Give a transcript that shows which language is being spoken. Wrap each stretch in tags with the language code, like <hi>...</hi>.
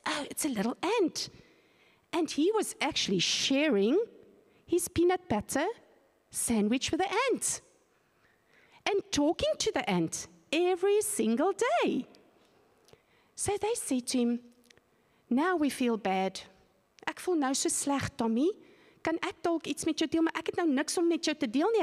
<en>Oh, it's a little ant. And he was actually sharing his peanut butter sandwich with the ant. And talking to the ant every single day. So they said to him, now we feel bad.</en> <af>Ek voel nou so sleg, Tommy. Kan ek dalk iets met jou deel, maar ek het nou niks om met jou te deel nie.</af>